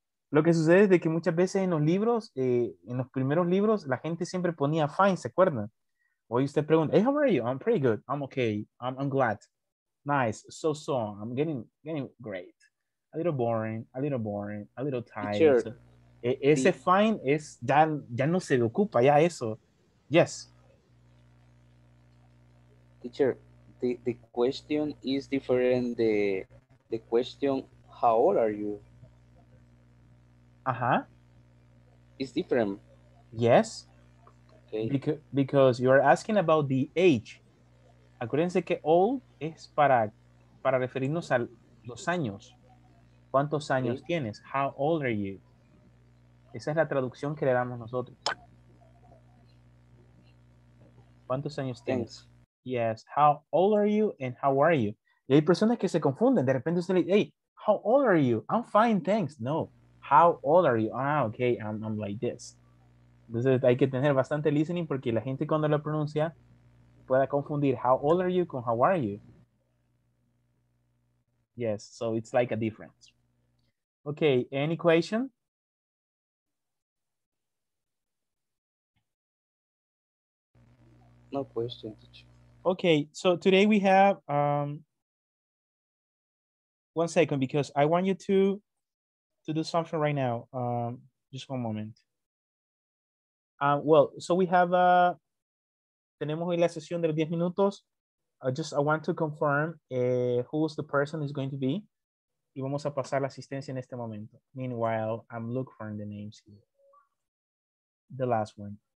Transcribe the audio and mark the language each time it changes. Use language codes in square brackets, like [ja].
[es] Lo que sucede es de que muchas veces en los libros, en los primeros libros, la gente siempre ponía fine, ¿se acuerdan? Hoy usted pregunta, [en] hey, how are you? I'm pretty good. I'm okay. I'm glad. Nice. So. I'm getting great. A little boring. A little tired. Sure. [es] Ese fine es, ya no se le ocupa ya eso. [en] Yes. Teacher, the question is different than the question, how old are you? Uh-huh. It's different. Yes. Okay. Because you are asking about the age. [es] Acuérdense que old es para referirnos a los años. ¿Cuántos años okay. tienes? [en] How old are you? [es] Esa es la traducción que le damos nosotros. ¿Cuántos años tienes? Thanks. [en] Yes, how old are you and how are you? [es] Y hay personas que se confunden. De repente usted le dice, [en] hey, how old are you? I'm fine, thanks. No, how old are you? Ah, okay, I'm like this. [es] Entonces hay que tener bastante listening porque la gente cuando lo pronuncia pueda confundir [en] how old are you [es] con [en] how are you. Yes, so it's like a difference. Okay, any question? No question, teacher. Okay, so today we have, one second, because I want you to do something right now. Just one moment. So we have, [es] tenemos hoy la sesión de los 10 minutos. [en] I want to confirm who's the person is going to be. [es] Y vamos a pasar la asistencia en este momento. [en] Meanwhile, I'm looking for the names here. The last one.